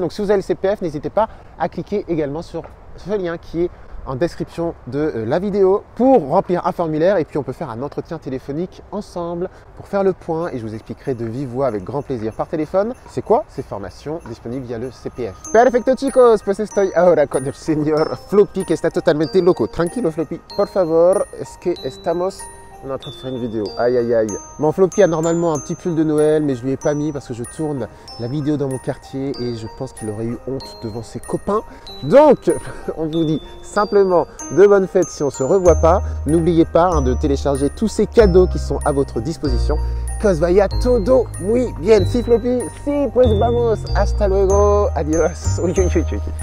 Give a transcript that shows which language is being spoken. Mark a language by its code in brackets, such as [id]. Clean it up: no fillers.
[fr] Donc, si vous avez le CPF, n'hésitez pas à cliquer également sur ce lien qui est en description de la vidéo pour remplir un formulaire et puis on peut faire un entretien téléphonique ensemble pour faire le point et je vous expliquerai de vive voix avec grand plaisir par téléphone. C'est quoi ces formations disponibles via le CPF? [es] Perfecto chicos, pues estoy ahora con el señor Floppy que está totalmente loco. Tranquilo Floppy, por favor, es que estamos... [fr] On est en train de faire une vidéo. [es] Aïe, aïe, aïe. [fr] Mon Floppy a normalement un petit pull de Noël, mais je ne lui ai pas mis parce que je tourne la vidéo dans mon quartier et je pense qu'il aurait eu honte devant ses copains. Donc, on vous dit simplement de bonnes fêtes si on ne se revoit pas. N'oubliez pas de télécharger tous ces cadeaux qui sont à votre disposition. [es] Cos vaya todo muy bien. Si, Floppy. Si, pues vamos. Hasta luego. Adiós. [fr] Oui, oui, oui, oui.